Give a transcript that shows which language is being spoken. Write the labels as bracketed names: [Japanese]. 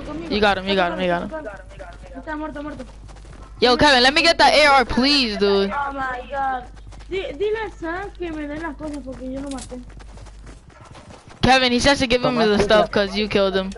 [English] You got him, you got him, you got him. [Spanish] Está muerto, muerto. [English] Yo, Kevin, let me get that AR, please, dude. Oh, my God. [Spanish] Dile a Sam que me den las cosas porque yo no maté. [English] Kevin, he says to give him the stuff because you killed him.